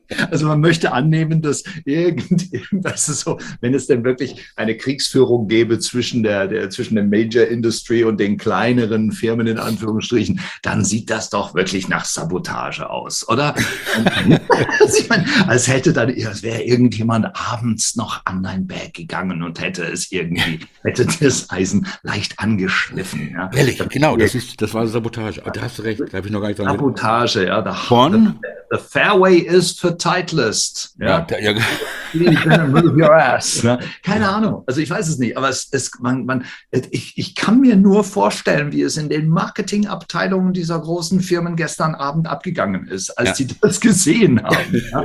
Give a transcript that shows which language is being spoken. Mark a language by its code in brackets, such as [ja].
[de] Also man möchte annehmen, dass irgendwas so, wenn es denn wirklich eine Kriegsführung gäbe zwischen der Major Industry und den kleineren Firmen in Anführungsstrichen, dann sieht das doch wirklich nach Sabotage aus, oder? Also ich meine, als wäre irgendjemand abends noch an dein Bag gegangen und hätte das Eisen leicht angeschliffen. Ja? Ehrlich, genau, das war Sabotage. Da hast du recht, da habe ich noch gar nicht dran. Sabotage, ja. [en] The fairway is for Titleist. [de] Ja. [en] Move your ass. [de] Ne? Keine Ahnung. Also ich weiß es nicht, aber ich kann mir nur vorstellen, wie es in den Marketingabteilungen dieser großen Firmen gestern Abend abgegangen ist, als sie das gesehen haben.